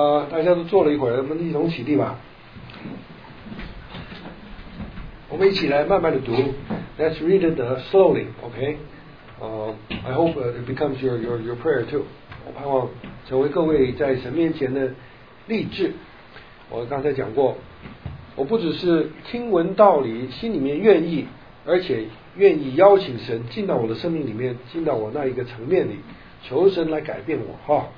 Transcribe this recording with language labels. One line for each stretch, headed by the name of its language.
Chinese: 大家都坐了一会儿，我们一同起立吧，我们一起来慢慢的读。
English: Let's read it slowly, okay? I hope it becomes your prayer too.
Chinese: 我盼望成为各位在神面前的励志。我刚才讲过，我不只是听闻道理，心里面愿意，而且愿意邀请神进到我的生命里面，进到我那一个层面里，求神来改变我哈。